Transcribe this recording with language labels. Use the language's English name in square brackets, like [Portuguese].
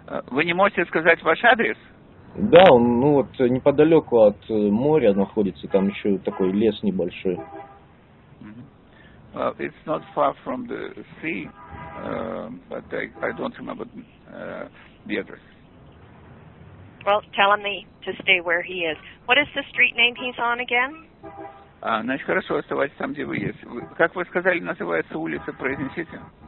[Russian] Вы не можете сказать ваш адрес? Да, он, ну вот, неподалеку от моря находится, там еще такой лес небольшой. [English] Well, it's not far from the sea, but I don't remember the address. Well, tell him to stay where he is. What is the street name he's on again? [Russian] Значит, хорошо, оставайтесь там, где вы есть. Как вы сказали, называется улица, произнесите?